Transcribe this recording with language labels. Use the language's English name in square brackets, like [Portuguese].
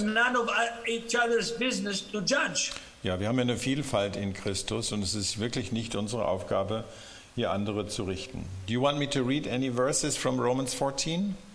[English] It's not, none of each other's business to judge. [German] Ja, wir haben eine Vielfalt in Christus und es ist wirklich nicht unsere Aufgabe, hier andere zu richten. [English] Do you want me to read any verses from Romans 14?